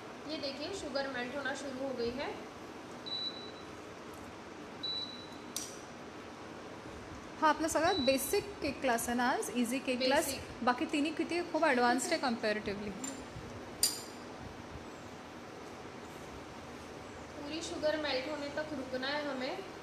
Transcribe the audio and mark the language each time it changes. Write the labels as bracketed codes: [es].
[hi] ये देखिए sugar melt होना शुरू हो गई है। [mr] हाँ, आपला सगळा बेसिक केक क्लास आहे ना, आज इझी केक क्लास, बाकी तिन्ही किती खूप ॲडव्हान्स्ड आहे कम्पॅरेटिव्हली। [hi] पूरी शुगर मेल्ट होने तक रुकना है हमें।